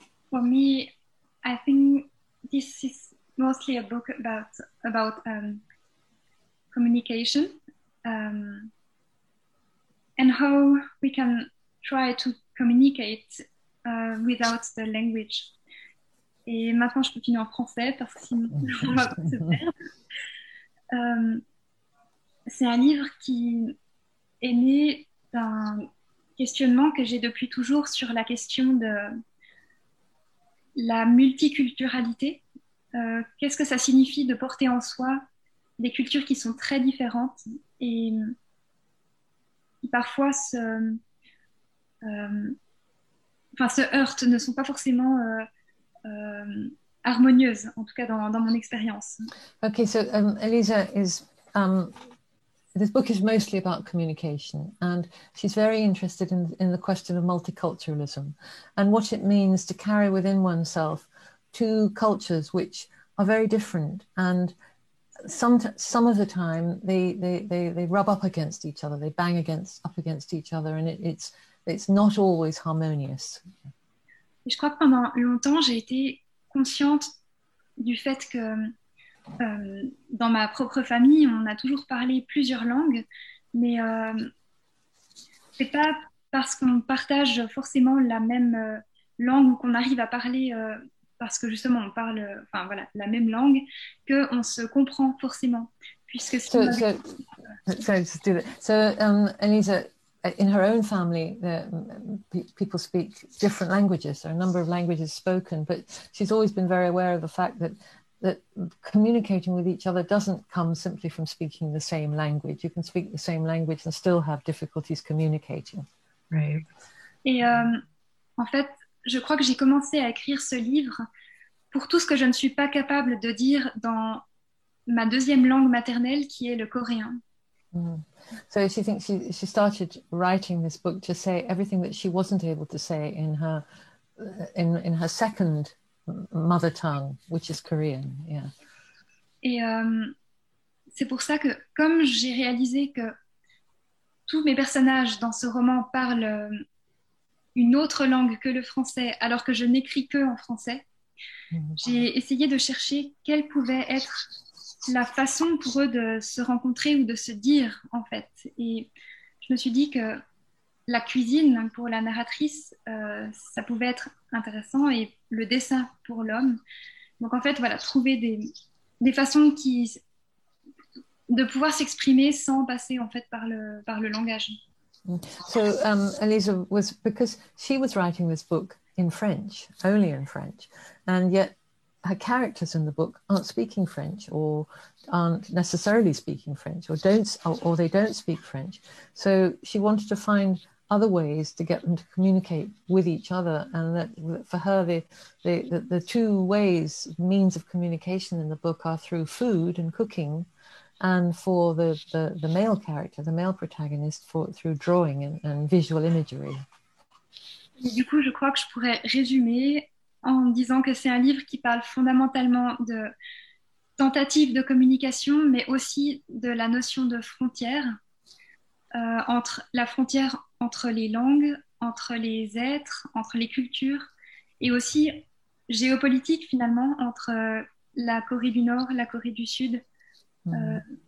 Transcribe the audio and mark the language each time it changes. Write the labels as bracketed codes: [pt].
[en] For me, I think this is mostly a book about communication and how we can try to communicate without the language. [fr] Et maintenant, je continue en français parce que sinon, on va pas se perdre. C'est un livre qui est né d'un questionnement que j'ai depuis toujours sur la question de la multiculturalité. Qu'est-ce que ça signifie de porter en soi des cultures qui sont très différentes et qui parfois se heurtent, ne sont pas forcément harmonieuses, en tout cas dans mon expérience. [en] Okay, so Elisa is... this book is mostly about communication, and she's very interested in the question of multiculturalism and what it means to carry within oneself two cultures which are very different, and some of the time they rub up against each other, they bang up against each other, and it's not always harmonious. [fr] Je crois que pendant longtemps j'ai été consciente du fait que dans ma propre famille on a toujours parlé plusieurs langues, mais c'est pas parce qu'on partage forcément la même langue ou qu'on arrive à parler parce que justement on parle enfin voilà la même langue que on se comprend forcément, puisque [en] ce Elisa, in her own family, people speak different languages. There are a number of languages spoken, but she's always been very aware of the fact that communicating with each other doesn't come simply from speaking the same language. You can speak the same language and still have difficulties communicating. Right. [fr] Et en fait, je crois que j'ai commencé à écrire ce livre pour tout ce que je ne suis pas capable de dire dans ma deuxième langue maternelle, qui est le coréen. Mm. [en] So she thinks she started writing this book to say everything that she wasn't able to say in her second mother tongue, which is Korean. Yeah. [fr] Et c'est pour ça que, comme j'ai réalisé que tous mes personnages dans ce roman parlent une autre langue que le français, alors que je n'écris que en français, mm-hmm. j'ai essayé de chercher quelle pouvait être la façon pour eux de se rencontrer ou de se dire, en fait. Et je me suis dit que la cuisine, pour la narratrice, ça pouvait être intéressant, et le dessin pour l'homme. Donc, en fait, voilà, trouver des façons de pouvoir s'exprimer sans passer, en fait, par le langage. [en] So, Elisa, because she was writing this book in French, only in French, and yet her characters in the book aren't speaking French, or aren't necessarily speaking French, or they don't speak French. So she wanted to find other ways to get them to communicate with each other, and that for her the two ways, means of communication in the book, are through food and cooking, and for the male character, the male protagonist, for through drawing and visual imagery. [fr] Du coup, je crois que je pourrais résumer en disant que c'est un livre qui parle fondamentalement de tentative de communication, mais aussi de la notion de frontière, entre la frontière entre les langues, entre les êtres, entre les cultures, et aussi géopolitique, finalement, entre la Corée du Nord, la Corée du Sud. Mm.